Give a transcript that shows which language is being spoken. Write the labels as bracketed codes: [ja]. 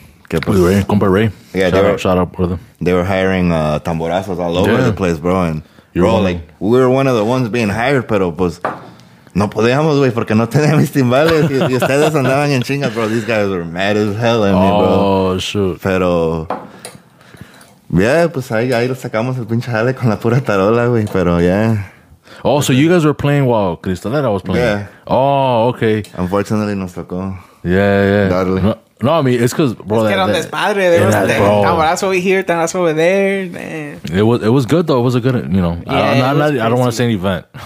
[en] Ray, compa Ray. Yeah, shout out, brother. They were hiring tamborazos all over the place, bro. And you're bro, like, we were one of the ones being hired, [es] pero pues, no podíamos, güey, porque no tenía mis timbales. Y ustedes andaban en chingas, [en] bro. These guys were mad as hell at me, bro. Oh, shoot. [es] Pero, yeah, pues ahí lo sacamos el pinche jale con la pura tarola, güey. Pero, yeah. [en] Oh, so you guys were playing while Cristalera was playing? Yeah. Oh, okay. Unfortunately, [es] nos tocó. [en] Yeah, yeah. [es] Darle. [en] No, I mean, it's because, bro. [es] Es que eran despadre. [en] They were like, tamborazo over here, tamborazo over there. It was good, though. It was a good, you know. Yeah, I don't want to say an event.